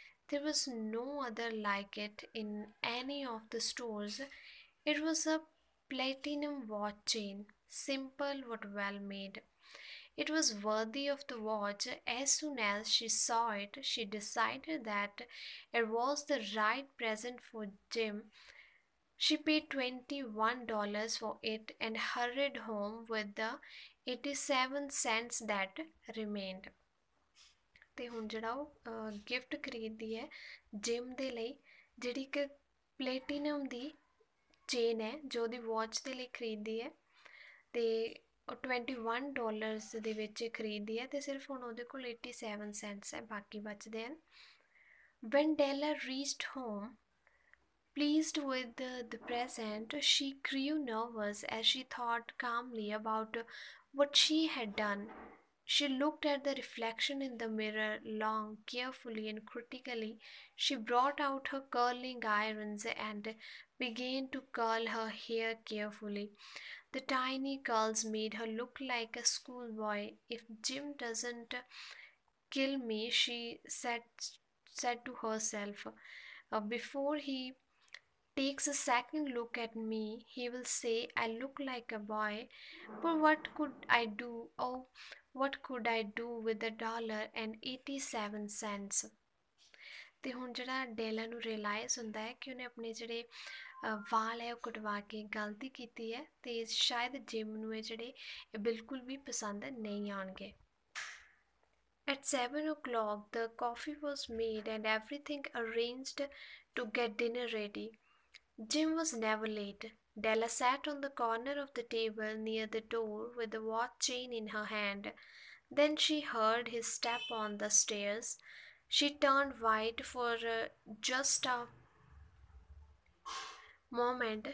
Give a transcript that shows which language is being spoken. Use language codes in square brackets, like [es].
[en] There was no other like it in any of the stores. It was a platinum watch chain, simple but well made. It was worthy of the watch. As soon as she saw it, she decided that it was the right present for Jim. She paid $21 for it and hurried home with the 87 cents that remained. [pa] ਅਤੇ ਹੁਣ ਜਿਹੜਾ ਉਹ gift ਖਰੀਦਦੀ ਹੈ ਜਿਮ ਦੇ ਲਈ, ਜਿਹੜੀ ਇੱਕ ਪਲੇਟੀਨਮ ਦੀ ਚੇਨ ਹੈ ਜੋ ਉਹਦੀ ਵਾਚ ਦੇ ਲਈ ਖਰੀਦਦੀ ਹੈ, ਅਤੇ ਉਹ $21 ਦੇ ਵਿੱਚ ਖਰੀਦਦੀ ਹੈ ਅਤੇ ਸਿਰਫ ਹੁਣ ਉਹਦੇ ਕੋਲ 87 ਸੈਂਟਸ ਹੈ, ਬਾਕੀ ਬਚਦੇ ਹਨ. [en] When Della reached home pleased with the present, she grew nervous as she thought calmly about what she had done. She looked at the reflection in the mirror long, carefully and critically. She brought out her curling irons and began to curl her hair carefully. The tiny curls made her look like a schoolboy. If Jim doesn't kill me, she said to herself, before he takes a second look at me, he will say I look like a boy. But what could I do? Oh, what could I do with a dollar and 87 cents? [pa] ਅਤੇ ਹੁਣ ਜਿਹੜਾ ਡੈਲਾ ਨੂੰ realise ਹੁੰਦਾ ਹੈ ਕਿ ਉਹਨੇ ਆਪਣੇ ਜਿਹੜੇ ਵਾਲ ਹੈ ਉਹ ਕਟਵਾ ਕੇ ਗਲਤੀ ਕੀਤੀ ਹੈ ਅਤੇ ਸ਼ਾਇਦ ਜਿਮ ਨੂੰ ਇਹ ਜਿਹੜੇ ਇਹ ਬਿਲਕੁਲ ਵੀ ਪਸੰਦ ਨਹੀਂ ਆਉਣਗੇ. [en] At 7 o'clock, the coffee was made and everything arranged to get dinner ready. Jim was never late. Della sat on the corner of the table near the door with the watch chain in her hand. Then she heard his step on the stairs. She turned white for just a moment.